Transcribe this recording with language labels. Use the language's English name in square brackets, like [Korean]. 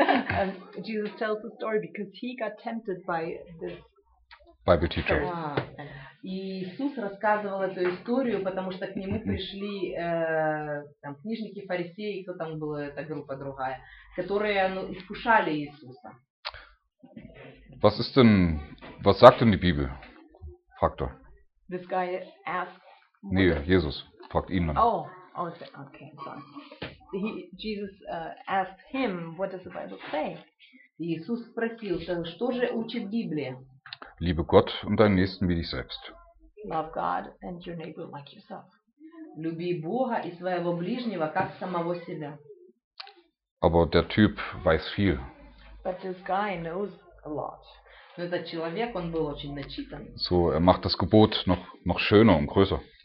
[English] And Jesus tells the story because he got tempted by this Bible teacher. [Russian] Иисус рассказывал эту историю, потому что к нему пришли там, книжники, фарисеи, кто там была эта группа другая, которые искушали Иисуса. [German] Was ist denn, was sagt denn die Bibel? Fragt er. [English] This guy asked. [German] Nee, Jesus fragt ihn dann. [English] Oh, okay, sorry. Jesus asked him, what does the Bible say? [Russian] Иисус спросил, что же учит Библия? [German] Liebe Gott und deinen Nächsten wie dich selbst. [English] Love God and your neighbor like yourself. [Russian] Люби Бога и своего ближнего как самого себя. [German] Aber der Typ weiß viel. [English] But this guy knows a lot. [Russian] Но этот человек, он был очень начитан. [German] So, macht das Gebot noch schöner und größer.